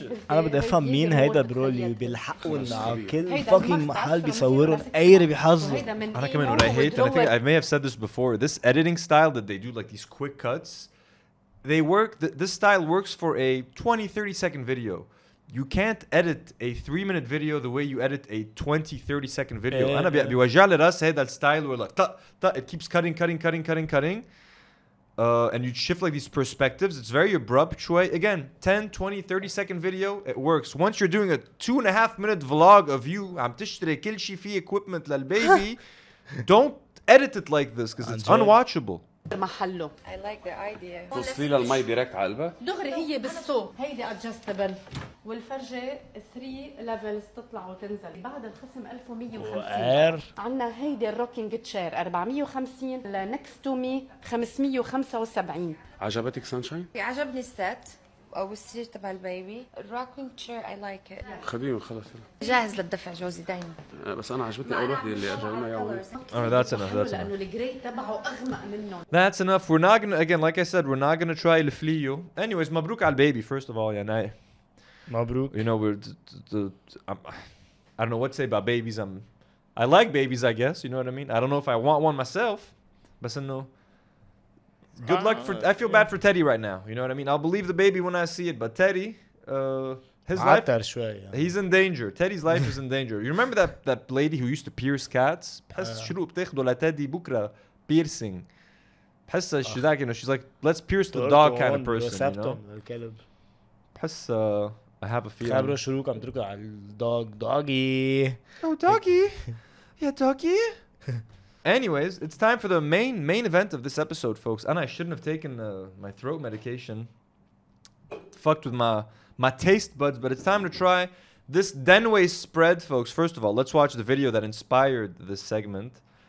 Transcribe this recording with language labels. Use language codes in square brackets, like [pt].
[ar] انا بدي افهم مين هيدا برو اللي بيلحقوا على كل فوكينج محل بيصورهم اي ربي حظه انا كمان وراي هيت انا [en] think I may have said this before this editing style that they do like these quick cuts they work this style works for a 20-30 second video You can't edit a 3-minute video the way you edit a 20-30 second video. [ar] أنا بيوجع لي راس هيدا الستايل [en] where like it keeps cutting. And you shift like these perspectives. It's very abrupt [ar] شوي. [en] Again, 10-20-30 second video, it works. Once you're doing a 2.5-minute vlog of you [ar] عم تشتري كل شي فيه equipment للبيبي, [en] don't edit it like this because it's unwatchable. [ar] محله. [en] I like the idea. [ar] توصلي له المي ديركت على قلبه؟ دغري هي بالصو. هيدي ادجستبل. والفرجة 3 ليفلز تطلع وتنزل. بعد الخصم 1150 عندنا هيدي الروكينج تشير 450 [en] لنكست to me [ar] 575. عجبتك سانشاين؟ عجبني الست او السرير تبع البيبي. الروكينج تشير [en] I like it. [ar] خديهم خلص يلا. جاهز للدفع جوزي دايما. بس انا عجبتني اول وحده اللي اجرنا اياها. [en] Oh, that's enough. That's enough. [ar] لانه الجري تبعه اغمق منه. [en] That's enough. We're not gonna, again, like I said, we're not gonna try الفليو. Anyways, [ar] مبروك على البيبي, [en] first of all, [ar] يا ناي. مبروك. [en] You know, we're I don't know what to say about babies. I like babies, I guess. You know what I mean? I don't know if I want one myself. [ar] بس انه. [en] Good luck for. I feel bad for Teddy right now. You know what I mean? I'll believe the baby when I see it. But Teddy, his life. [ar] عطر شوي. [en] He's in danger. Teddy's life is in danger. You remember that lady who used to pierce cats? [ar] بحس شروق بتاخده لتادي بكره piercing. بحس شذاك, [en] you know, she's like, let's pierce the dog kind of person. You know? [ar] بحس. [en] I have a feeling. [ar] خبره شروق عم تركه على الدوغ دوغي. [en] Oh, doggy. Yeah, doggy. Anyways, it's time for the main event of this episode, folks. And I shouldn't have taken my throat medication. Fucked with my taste buds, but it's time to try this Danway spread, folks. First of all, let's watch the video that inspired this segment.